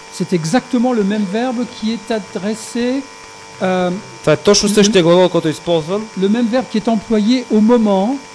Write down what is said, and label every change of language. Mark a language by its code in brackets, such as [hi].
[fr] C'est exactement le même verbe qui est adressé. [bg] Това е точно същия глагол, който е използван. [fr] Le même verbe qui est employé au moment.